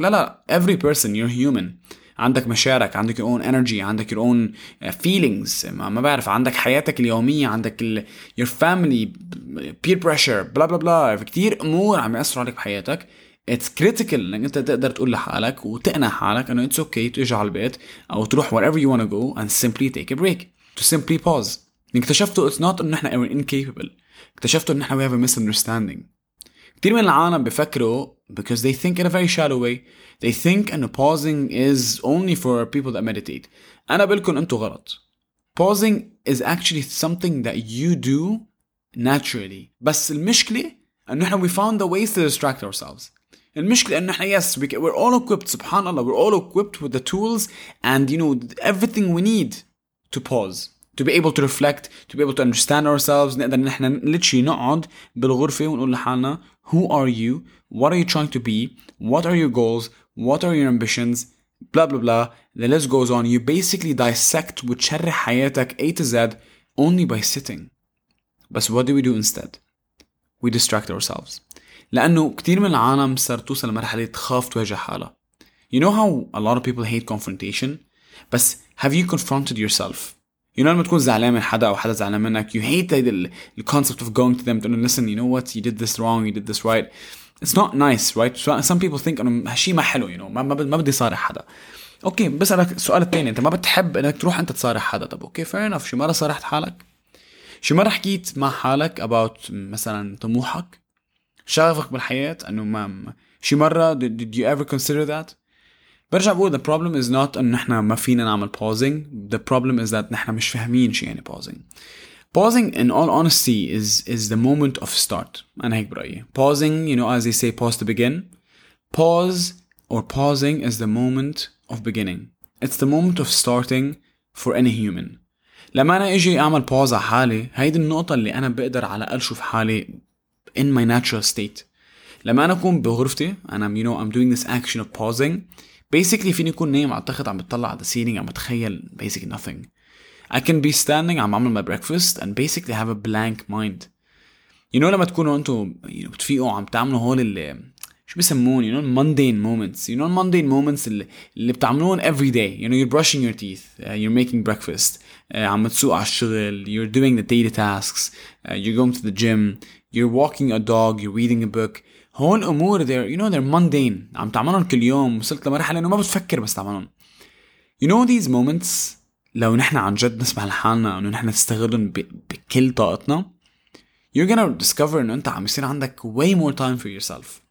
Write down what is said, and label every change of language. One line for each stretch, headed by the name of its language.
Arabic: لا
English: every person, you're human,
Arabic: عندك مشارك, عندك
English: your own energy,
Arabic: عندك
English: your own feelings,
Arabic: ما بعرف, عندك حياتك اليومية, عندك
English: your family, peer pressure, blah blah blah,
Arabic: في كتير أمور عم يأثر عليك بحياتك.
English: It's critical
Arabic: لأنك أنت تقدر تقول لحالك وتقنع حالك أنه
English: it's okay
Arabic: تيجي على البيت أو تروح
English: wherever you want to go and simply take a break, to simply pause.
Arabic: اكتشفتوا it's not أنه إحنا incapable, اكتشفتوا أنه إحنا
English: we have a misunderstanding.
Arabic: كتير من العالم بفكروا
English: because they think in a very shallow way, they think and pausing is only for people that meditate.
Arabic: أنا بقولكم أنتوا غلط.
English: Pausing is actually something that you do naturally.
Arabic: بس المشكلة أنه إحنا
English: we found the ways to distract ourselves.
Arabic: المشكلة أنه إحنا
English: yes we're all equipped, سبحان الله, we're all equipped with the tools and you know everything we need to pause, to be able to reflect, to be able to understand ourselves. نقدر نحن literally
Arabic: نقعد بالغرفة ونقول لحالنا
English: who are you, what are you trying to be, what are your goals, what are your ambitions, blah blah blah, the list goes on. You basically dissect
Arabic: وتشرح حياتك
English: A to Z only by sitting. But what do we do instead? We distract ourselves.
Arabic: لأنه كتير من العالم صار توصل لمرحلة تخاف تواجه حالة.
English: You know how a lot of people hate confrontation? But have you confronted yourself? You know,
Arabic: لما تكون زعلان من حدا أو حدا زعلان منك,
English: you hate the concept of going to them and listen, you know what, you did this wrong, you did this right. It's not nice, right? Some people think
Arabic: أنه هالشي ما حلو, you know, ما بدي صارح حدا. Okay, بس على السؤال الثاني, أنت ما بتحب أنك تروح أنت تصارح حدا. طب okay,
English: fair enough,
Arabic: شو مرة صارحت حالك؟ شو مرة حكيت مع حالك about مثلا طموحك, شغفك بالحياة, أنه ما شو مرة,
English: did you ever consider that?
Arabic: برجع بقول
English: the problem is not
Arabic: أن نحنا ما فينا نعمل pausing,
English: the problem is that
Arabic: نحنا مش فاهمين شو يعني pausing.
English: Pausing in all honesty is the moment of start.
Arabic: أنا هيك برأيي.
English: Pausing, you know, as they say, pause to begin. Pause or pausing is the moment of beginning. It's the moment of starting for any human.
Arabic: لما أنا إجي أعمل pause على حالي, هاي دي النقطة اللي أنا بقدر على الأقل شوف حالي
English: in my natural state.
Arabic: لما أنا أكون بغرفتي أنا,
English: you know, I'm doing this action of pausing.
Arabic: Basically, فيني يكون نايم على التخت عم بتطلع على
English: the ceiling
Arabic: عم بتخيل
English: basically nothing. I can be standing,
Arabic: عم عمل
English: my breakfast and basically have a blank mind.
Arabic: You know, لما تكونوا انتو you know, بتفيقوا عم بتعملوا هول اللي شو بيسمون, you know,
English: mundane moments. You know, mundane moments
Arabic: اللي بتعملون
English: every day. You know, you're brushing your teeth, you're making breakfast,
Arabic: عم بتسوق على الشغل,
English: you're doing the daily tasks, you're going to the gym, you're walking a dog, you're reading a book.
Arabic: هون أمور
English: they're, you know, they're mundane.
Arabic: عم تعملهم كل يوم, وصلت لمرحلة إنه ما بتفكر بس تعملهم.
English: You know these moments,
Arabic: لو نحن عن جد نسمح لحالنا إنه نحن نستغلهم بكل طاقتنا,
English: you're gonna discover
Arabic: إنه أنت عم يصير عندك
English: way more time for yourself.